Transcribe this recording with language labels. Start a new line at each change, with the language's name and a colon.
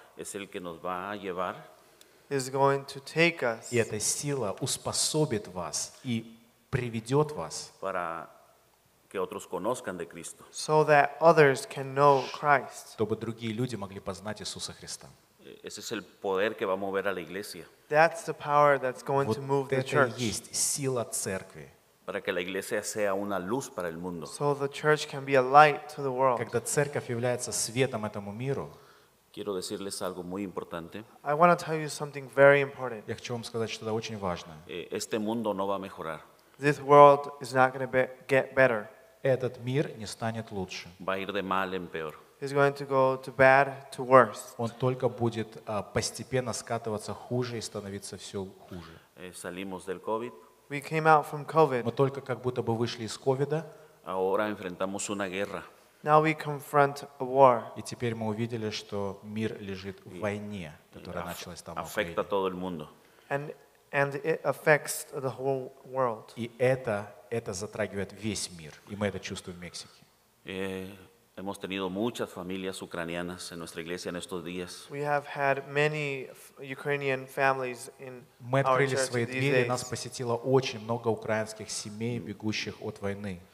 Spanish: Es el que nos va a llevar.
English: Is going to take us.
Russian: И эта сила успособит вас и приведет вас.
Spanish: Para que otros conozcan de Cristo.
English: So that others can know Christ.
Russian: Чтобы другие люди могли познать Иисуса Христа.
Spanish: Ese es el poder que va a mover a la iglesia.
English: That's the power that's going
Russian: вот
English: to move the church.
Russian: Вот это есть сила церкви.
Spanish: Para que la iglesia sea una luz para el mundo.
English: So the church can be a light to the world.
Russian: Когда церковь является светом этому миру.
Spanish: Quiero decirles algo muy importante.
English: I want to tell you something very important.
Russian: Я хочу вам сказать что-то очень важное.
Spanish: Este mundo no va a mejorar.
English: This world is not going to get better.
Russian: Этот мир не станет лучше.
Spanish: Va a ir de mal en peor.
English: It's going to go to bad to worse.
Russian: Он только будет постепенно скатываться хуже и становиться все хуже.
Spanish: Salimos del COVID.
English: We came out from COVID.
Russian: Мы только как будто бы вышли из COVID-а.
Spanish: Ahora enfrentamos una guerra.
English: Now we confront a war.
Russian: И теперь мы увидели, что мир лежит в войне, которая началась там.
Spanish: Afecta todo el mundo.
English: And it affects the whole world.
Russian: И это затрагивает весь мир, и мы это чувствуем в Мексике.
Spanish: Hemos tenido muchas familias ucranianas en nuestra iglesia en estos días.
English: We have had many Ukrainian families in our church.
Russian: Мы открыли свои двери, нас посетило очень много украинских семей, бегущих от войны.